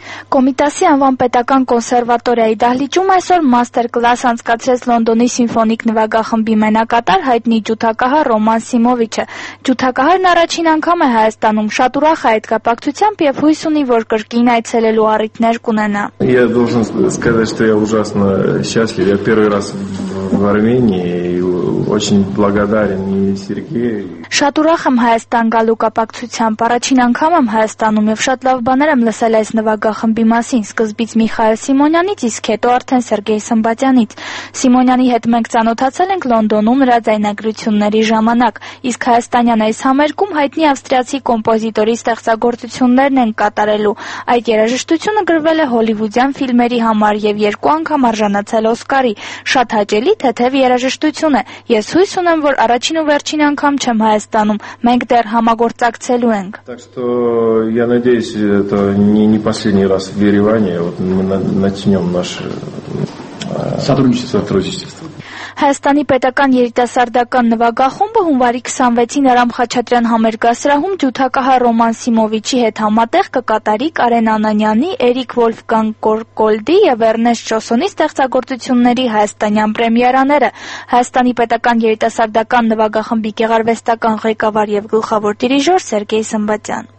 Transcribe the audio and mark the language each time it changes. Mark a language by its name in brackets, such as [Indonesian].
[Armenian] Կոմիտասի անվան պետական կոնսերվատորիայի դահլիճում այսօր մաստերկլաս անցկացրեց Լոնդոնի Սիմֆոնիկ նվագախմբի մենակատար հայտնի ջութակահար Ռոման Սիմովիչը։ Ջութակահարն առաջին անգամ է Հայաստանում, շատ ուրախ է այդ կապակցությամբ եւ հույս ունի, որ կրկին այցելելու առիթներ կունենա։ [Russian] Я должен сказать, что я ужасно счастлив. Я первый раз в Армении и очень благодарен и Сергею. [Armenian] Շատ ուրախ եմ Հայաստան գալու կապակցությամբ։ Առաջին անգամ եմ Հայաստանում եւ շատ լավ բաներ եմ լսել այս նվագախմբի մասին, սկզբից Միխայել Սիմոնյանից, իսկ հետո արդեն Սերգեյ Սմբատյանից։ Սիմոնյանի հետ մենք ծանոթացել ենք Լոնդոնում նրա ձայնագրությունների ժամանակ, իսկ հայաստանյան այս համերգում հայտնի ավստրիացի կոմպոզիտորի ստեղծագործություններն են կատարելու։ Այդ երաժշտությունը գրվել է հոլիվուդյան ֆիլմերի համար եւ երկու անգամ արժանացել Օսկարի։ Շատ հաճելի թեթեւ երաժշտություն է։ Ես հույս ունեմ, որ առաջին ու վերջին անգամ չեմ Հայաստանում, մենք դեռ համագործակցելու ենք։ [Russian] Так что я надеюсь, это не последний раз в Ереване, вот мы начнём наше сотрудничество. [Armenian] Հայաստանի պետական երիտասարդական նվագախումբը հունվարի 26-ին Արամ Խաչատրյան համերգասրահում ջութակահար Ռոման Սիմովիչի հետ համատեղ կկատարի Կարեն Անանյանի, Էրիկ Վոլֆգանգ Կորկոլդի եւ Էրնեստ Շոսոնի ստեղծագործությունների հայաստանյան պրեմիերաները։ Հայաստանի պետական երիտասարդական նվագախմբի ղեկավարվեստական ղեկավար եւ գլխավոր դիրիժոր Սերգեյ Սմբատյան։